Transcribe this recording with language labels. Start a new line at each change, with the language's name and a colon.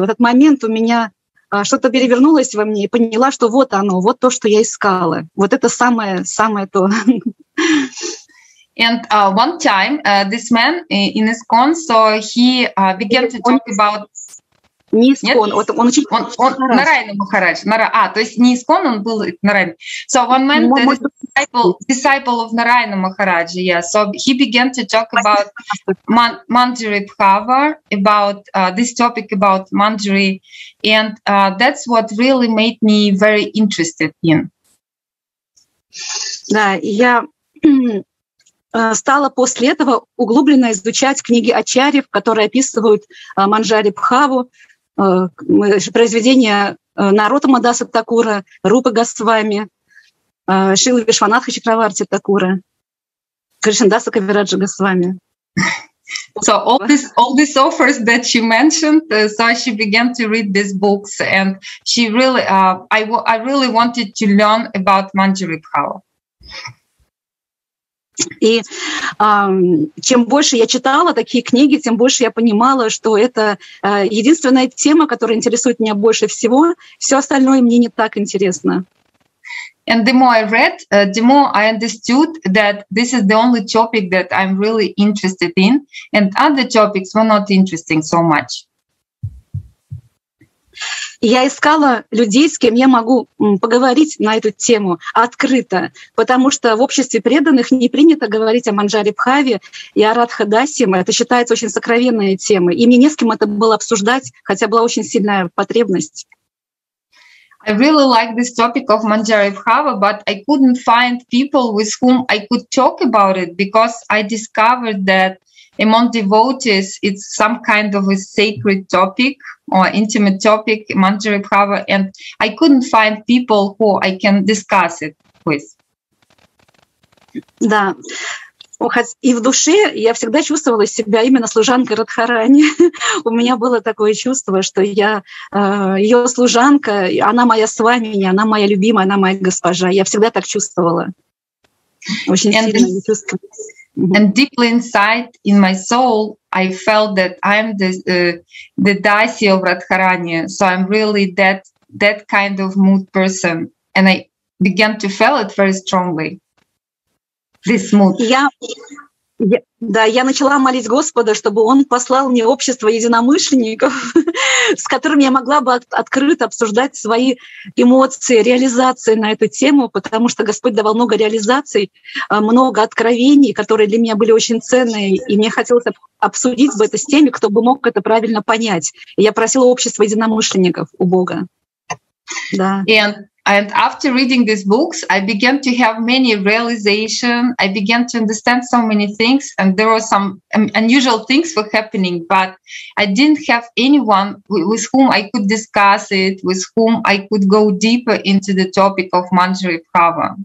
Russian: В этот момент у меня что-то перевернулось во мне и поняла, что вот оно, вот то, что я искала. Вот это самое то.
English: And one time this man in ISKCON, so he began to talk about...
Russian: Не ISKCON, вот он очень... Он Нараяна Махарадж. То есть не ISKCON, он был Нараяна.
English: So one man that is disciple of Нараяна Махараджа, yeah. So he began to talk about Manjari Bhava, about this topic about Manjari, and that's what really made me very interested in.
Russian: Да, я стала после этого углубленно изучать книги Ачарьев, которые описывают Манджари Бхаву, произведения Нарота Мадаса Такура, Рупы Госвами, Шрилы Вишванатха Чакраварти Такура, Кришнадаса Кавираджа Госвами.
English: So all these offers that she mentioned, so she began to read these books, and she really, I really wanted to learn about Manjari Bhava.
Russian: И чем больше я читала такие книги, тем больше я понимала, что это единственная тема, которая интересует меня больше всего. Все остальное мне не так интересно.
English: And the more I read, the more I understood that this is the only topic that I'm really interested in, and other topics were not interesting so much.
Russian: Я искала людей, с кем я могу поговорить на эту тему открыто, потому что в обществе преданных не принято говорить о Манджари Бхаве и о Радха Дасьям. Это считается очень сокровенной темой, и мне не с кем это было обсуждать, хотя была очень сильная потребность.
English: I really like this topic of Manjari Bhava, but I couldn't find people with whom I could talk about it because I discovered that among devotees, it's some kind of a sacred topic or intimate topic, Manjari Bhava, and I couldn't find people who I can discuss it with.
Russian: Да. И в душе я всегда чувствовала себя именно служанкой Радхарани. У меня было такое чувство, что я ее служанка, она моя свамини, она моя любимая, она моя госпожа. Я всегда так чувствовала. Очень сильно чувствовала.
English: And deeply inside in my soul, I felt that I'm the Dasi of Radharani. So I'm really that kind of mood person. And I began to feel it very strongly. This mood.
Russian: Я начала молить Господа, чтобы Он послал мне общество единомышленников, с которыми я могла бы открыто обсуждать свои эмоции, реализации на эту тему, потому что Господь давал много реализаций, много откровений, которые для меня были очень ценные, и мне хотелось обсудить бы это с теми, кто бы мог это правильно понять. И я просила общество единомышленников у Бога. Да.
English: And after reading these books, I began to have many realizations. I began to understand so many things, and there were some unusual things were happening, but I didn't have anyone with whom I could discuss it, with whom I could go deeper into the topic of Manjari Bhava.